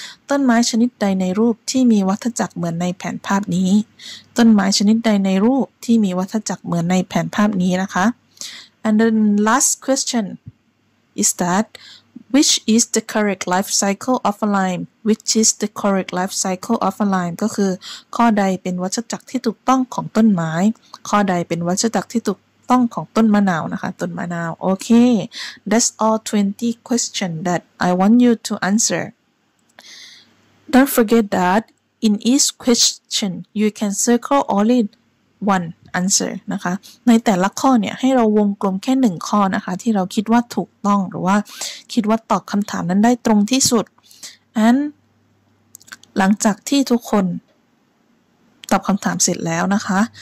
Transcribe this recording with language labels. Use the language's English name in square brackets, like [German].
[Thai] ต้นไม้ชนิดใดในรูปที่มีวัฏจักรเหมือนในแผนภาพนี้ต้นไม้ชนิดใดในรูปที่มีวัฏจักรเหมือนในแผนภาพนี้นะคะ [English] and the last question is thatWhich is the correct life cycle of a lime? Which is the correct life cycle of a lime? [Thai] ก็คือข้อใดเป็นวัฏจักรที่ถูกต้องของต้นไม้ข้อใดเป็นวัฏจักรที่ถูกต้องของต้นมะนาวนะคะต้นมะนาวโอเค [English] That's all 20 questions that I want you to answer. Don't forget that in each question you can circle only one answer [Thai] นะคะในแต่ละข้อเนี่ยให้เราวงกลมแค่หนึ่งข้อนะคะที่เราคิดว่าถูกต้องหรือว่าคิดว่าตอบคำถามนั้นได้ตรงที่สุด and หลังจากที่ทุกคนตอบคำถามเสร็จแล้วนะคะ